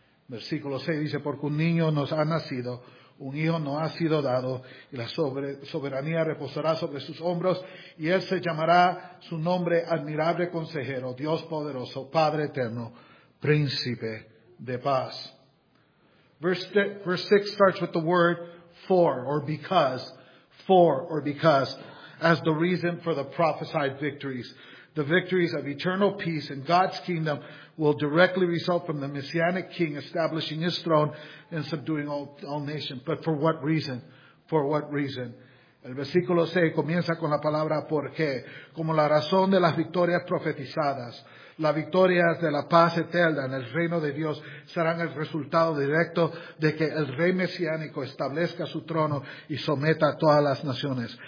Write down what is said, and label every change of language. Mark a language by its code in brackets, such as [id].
[es] Versículo 6 dice, porque un niño nos ha nacido, un hijo nos ha sido dado, y la soberanía reposará sobre sus hombros, y él se llamará su nombre Admirable Consejero, Dios Poderoso, Padre Eterno, Príncipe de Paz. [en] Verse 6 starts with the word for, or because, as the reason for the prophesied victories. The victories of eternal peace in God's kingdom will directly result from the Messianic King establishing his throne and subduing all nations. But for what reason? For what reason? [es] El versículo 6 comienza con la palabra por qué. Como la razón de las victorias profetizadas. Las victorias de la paz eterna en el reino de Dios serán el resultado directo de que el Rey Mesiánico establezca su trono y someta a todas las naciones.